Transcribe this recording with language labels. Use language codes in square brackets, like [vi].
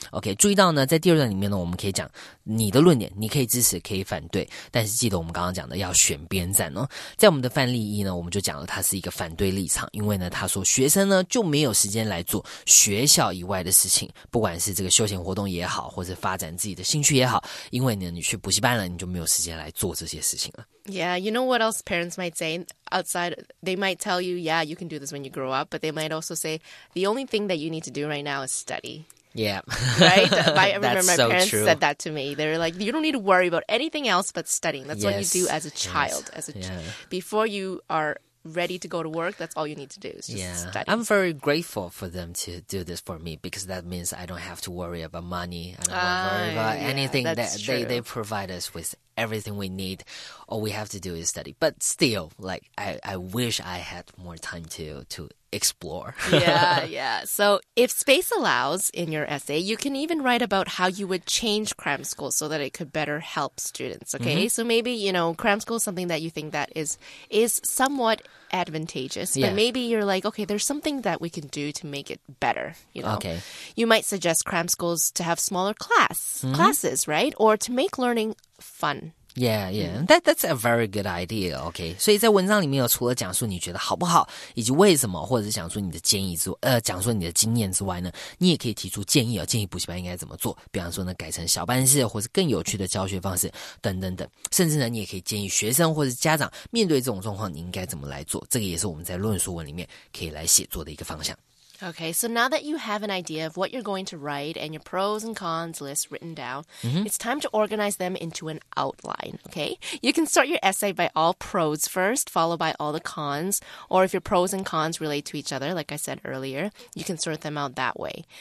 [zh] Okay, 注意到呢，在第二段里面呢，我们可以讲你的论点，你可以支持，可以反对，但是记得我们刚刚讲的要选边站哦。在我们的范例一呢，我们就讲了它是一个反对立场，因为呢，他说学生呢就没有时间来做学校以外的事情，不管是这个休闲活动也好，或者发展自己的兴趣也好，因为呢你去补习班了，你就没有时间来做这些事情了。 [en] Yeah, you know what else parents might say outside? They might tell you, yeah, you can do this when you grow up, but they might also say the only thing that you need to do right now is study. Yeah. Right? I remember my parents said that to me. They were like, you don't need to worry about anything else but studying. That's what you do as a child. Before you are ready to go to work, that's all you need to do is just study. I'm very grateful for them to do this for me because that means I don't have to worry about money. I don't worry about anything that they provide us with. Everything we need, all we have to do is study. But still, like, I wish I had more time to explore. yeah. So if space allows in your essay, you can even write about how you would change cram school so that it could better help students, okay? Mm-hmm. So maybe, you know, cram school is something that you think that is somewhat advantageous. But maybe you're like, okay, there's something that we can do to make it better, you know? Okay. You might suggest cram schools to have smaller classes, right? Or to make learning fun. Yeah, that's a very good idea, okay. [zh] 所以在文章里面有除了讲述你觉得好不好以及为什么或者是讲述你的建议之讲述你的经验之外呢你也可以提出建议哦建议补习班应该怎么做比方说呢改成小班制或是更有趣的教学方式等等等。甚至呢你也可以建议学生或是家长面对这种状况你应该怎么来做这个也是我们在论述文里面可以来写作的一个方向。 [en] Okay, so now that you have an idea of what you're going to write and your pros and cons list written down, it's time to organize them into an outline, okay? You can start your essay by all pros first, followed by all the cons, or if your pros and cons relate to each other, like I said earlier, you can sort them out that way.